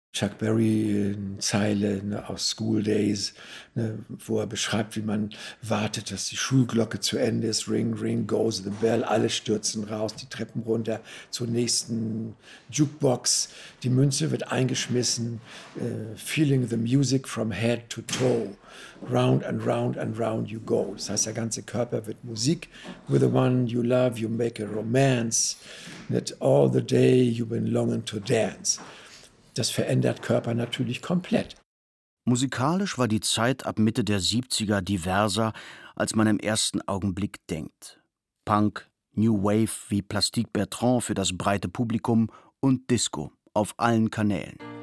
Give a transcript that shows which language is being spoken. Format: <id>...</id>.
<de>Chuck Berry, eine Zeile, ne, aus School Days, ne, wo er beschreibt, wie man wartet, dass die Schulglocke zu Ende ist.</de> <en>Ring, ring, goes the bell.</en> <de>Alle stürzen raus, die Treppen runter zur nächsten Jukebox. Die Münze wird eingeschmissen.</de> <en>Feeling the music from head to toe. Round and round and round you go.</en> <de>Das heißt, der ganze Körper wird Musik.</de> <en>With the one you love, you make a romance. That all the day you've been longing to dance.</en> <de>Das verändert Körper natürlich komplett. Musikalisch war die Zeit ab Mitte der 70er diverser, als man im ersten Augenblick denkt. Punk, New Wave wie Plastique Bertrand für das breite Publikum und Disco auf allen Kanälen.</de>